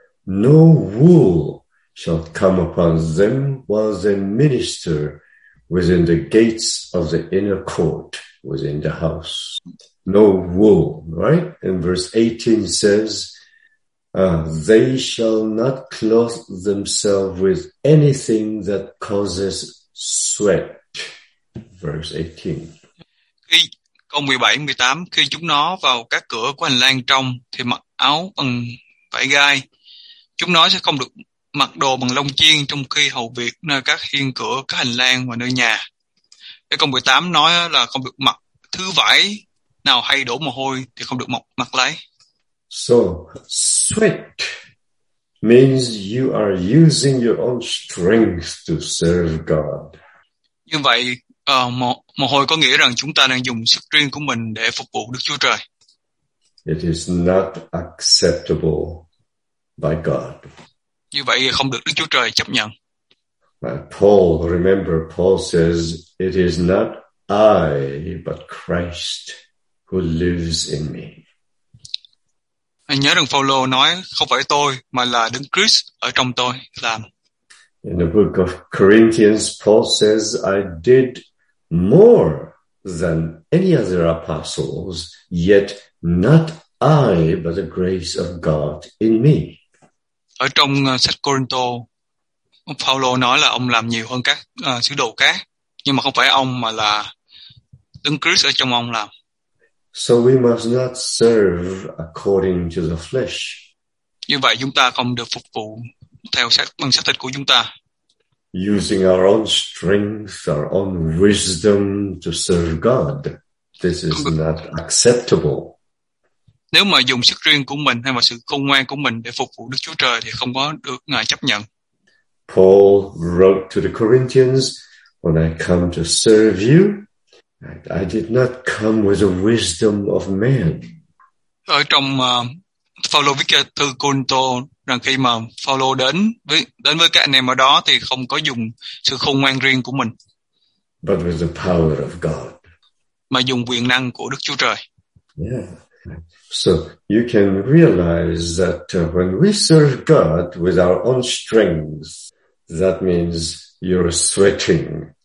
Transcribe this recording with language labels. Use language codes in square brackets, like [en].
[en] No wool shall come upon them while they minister within the gates of the inner court, within the house. No wool, right? And verse 18 says, they shall not clothe themselves with anything that causes sweat. Verse 18. [vi] Câu 17, 18, khi chúng nó vào các cửa của hành lang trong thì mặc áo bằng vải gai. Chúng nó sẽ không được mặc đồ bằng lông chiên trong khi hầu việc nơi các hiên cửa, các hành lang và nơi nhà. Cái câu 18 nói là không được mặc thứ vải nào hay đổ mồ hôi thì không được mặc lấy. [en] So, sweat means you are using your own strength to serve God. [vi] Như vậy, mồ hôi có nghĩa rằng chúng ta đang dùng sức riêng của mình để phục vụ Đức Chúa Trời. [en] It is not acceptable by God. [vi] Như vậy không được Đức Chúa Trời chấp nhận. [en] Paul, remember, Paul says, it is not I, but Christ who lives in me. [vi] Anh nhớ rằng Phaolô nói không phải tôi mà là Đấng Christ ở trong tôi làm. [en] In the book of Corinthians, Paul says, I did more than any other apostles, yet not I, but the grace of God in me. [vi] Ở trong sách Corinto, Phaolô nói là ông làm nhiều hơn các sứ đồ khác, nhưng mà không phải ông mà là Đấng Christ ở trong ông làm. [en] So we must not serve according to the flesh. [vi] Như vậy chúng ta không được phục vụ theo xác bằng xác thịt của chúng ta. [en] Using our own strength, our own wisdom to serve God, this is not acceptable. [vi] Nếu mà dùng sức riêng của mình hay mà sự khôn ngoan của mình để phục vụ Đức Chúa Trời thì không có được Ngài chấp nhận. [en] Paul wrote to the Corinthians, when I come to serve you, I did not come with the wisdom of man. [vi] Ở trong Phaolô viết thư Côrintô rằng khi mà Phaolô đến với các anh em ở đó thì không có dùng sự khôn ngoan riêng của mình. [en] But with the power of God. [vi] Mà dùng quyền năng của Đức Chúa Trời. Yeah. [en] So you can realize that when we serve God with our own strength, that means you're sweating.